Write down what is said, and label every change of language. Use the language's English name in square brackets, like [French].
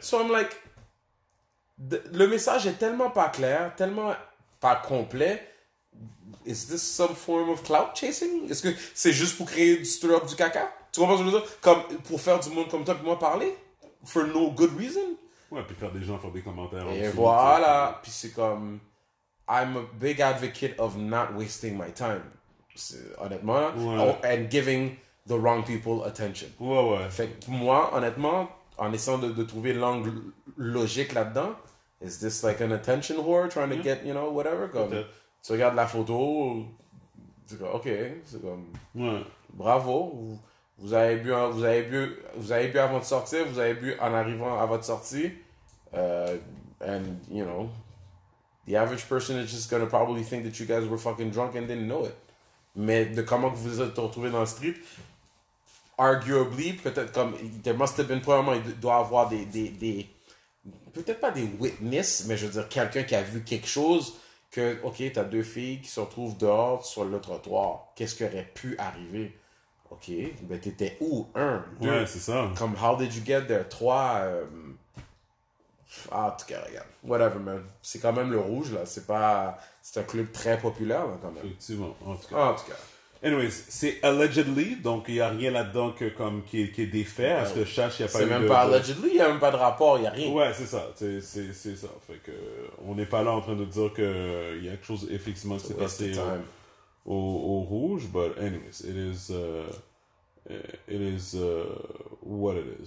[English] So I'm like, [French] le message est tellement pas clair, tellement pas complet. [English] Is this some form of clout chasing? [French] Est-ce que c'est juste pour créer du stir up du caca? Tu comprends ce que je veux dire? Comme pour faire du monde comme toi et moi parler? [English] For no good reason? [French] Ouais, puis faire des gens faire des commentaires. Et aussi, voilà. Puis c'est comme... [English] I'm a big advocate of not wasting my time. [French] Honnêtement. Ouais. [English] Oh, and giving the wrong people attention. [French] Ouais, ouais. Fait que moi, honnêtement, en essayant de trouver l'angle logique là-dedans, [English] is this like an attention whore trying to get, you know, whatever? [French] Comme, tu regardes la photo, tu dis, ok, c'est comme... Ouais. Bravo. Vous avez bu avant de sortir, vous avez bu en arrivant à votre sortie. [English] And, you know, the average person is just going to probably think that you guys were fucking drunk and didn't know it. [French] Mais de comment vous vous êtes retrouvés dans le strip, arguably, peut-être comme, [English] there must have been, [French] probablement, il doit avoir des peut-être pas des witness, mais je veux dire, quelqu'un qui a vu quelque chose, que, ok, t'as deux filles qui se retrouvent dehors sur le trottoir. Qu'est-ce qui aurait pu arriver? Ok, mais t'étais où? Un, deux. Ouais, c'est ça. [English] Comme, how did you get there? Trois. [French] En tout cas, regarde. [English] Whatever, man. [French] C'est quand même le rouge, là. C'est pas. C'est un club très populaire, là, quand même. Effectivement, en tout cas. En tout cas. Anyways, c'est allegedly, donc il n'y a rien là-dedans que, comme, qui est défait. Est-ce que je cherche, il n'y a pas eu de... C'est même pas allegedly, il n'y a même pas de rapport, il n'y a rien. Ouais, c'est ça. C'est ça. Fait que, on n'est pas là en train de dire qu'il y a quelque chose, effectivement, qui s'est passé. Au rouge, [English] but anyways, it is what it is.